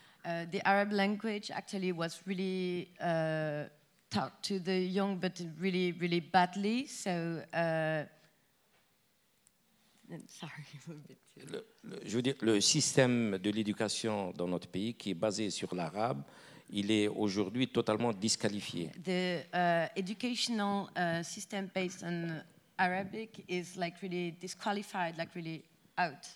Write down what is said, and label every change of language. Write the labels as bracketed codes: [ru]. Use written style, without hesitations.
[en] The Arab language actually was really taught to the young, but really, really badly. So, sorry. [fr] Je veux dire, le système de l'éducation dans notre pays, qui est basé sur l'arabe, il est aujourd'hui totalement disqualifié. [en] The educational system based on Arabic is like really disqualified, like really out.